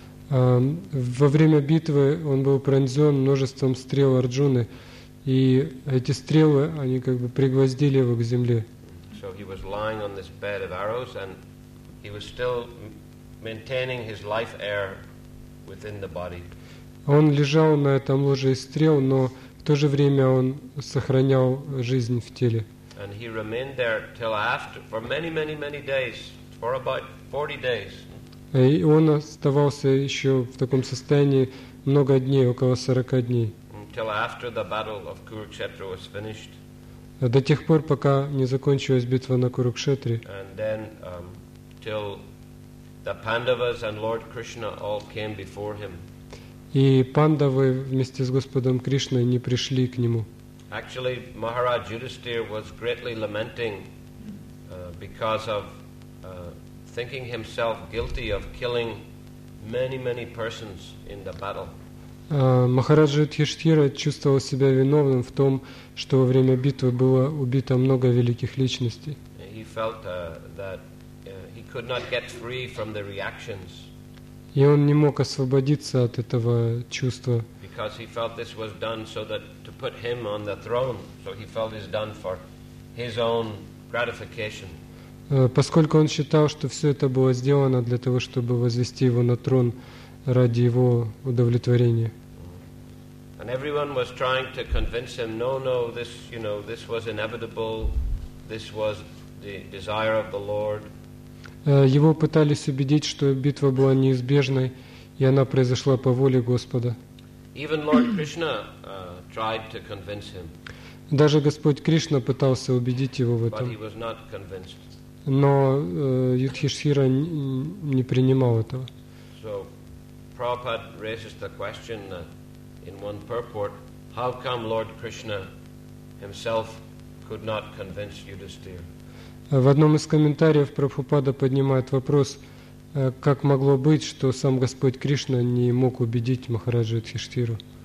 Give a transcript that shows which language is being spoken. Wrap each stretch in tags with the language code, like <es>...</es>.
<ru>Во время битвы он был пронзен множеством стрел Арджуны, и эти стрелы, они как бы пригвоздили его к земле.</ru> <en>So he was lying on this bed of arrows, and he was still maintaining his life air within the body.</en> <ru>Он лежал на этом ложе из стрел, но в то же время он сохранял жизнь в теле.</ru> <en>And he remained there till after, for many, many, many days, for about 40 days.</en> <ru>И он оставался еще в таком состоянии много дней, около 40 дней.</ru> <en>Until after the battle of Kurukshetra was finished.</en> <ru>До тех пор, пока не закончилась битва на Курукшетре.</ru> <en>And then, till the Pandavas and Lord Krishna all came before him.</en> <ru>И Пандавы вместе с Господом Кришной не пришли к нему.</ru> <en>Actually, Maharaj Yudhisthira was greatly lamenting because of thinking himself guilty of killing many, many persons in the battle.</en> <ru>Махараджа Юдхиштхира чувствовал себя виновным в том, что во время битвы было убито много великих личностей.</ru> <en>He felt that he could not get free from the reactions.</en> <ru>И он не мог освободиться от этого чувства.</ru> <en>Because he felt this was done so that to put him on the throne, so he felt it was done for his own gratification.</en> <ru>Поскольку он считал, что все это было сделано для того, чтобы возвести его на трон ради его удовлетворения.</ru> <en>And everyone was trying to convince him, this was inevitable, this was the desire of the Lord.</en> <ru>Его пытались убедить, что битва была неизбежной, и она произошла по воле Господа.</ru> <en>Even Lord Krishna tried to convince him.</en> <ru>Даже Господь Кришна пытался убедить его в этом.</ru> <en>But he was not convinced.</en> <ru>Но Юдхиштхира не принимал этого.</ru> <en>So, Prabhupada raises the question in one purport, how come Lord Krishna himself could not convince Yudhisthira?</en> <ru>В одном из комментариев Прабхупада поднимает вопрос, как могло быть, что сам Господь Кришна не мог убедить Махараджу Юдхиштхиру?</ru>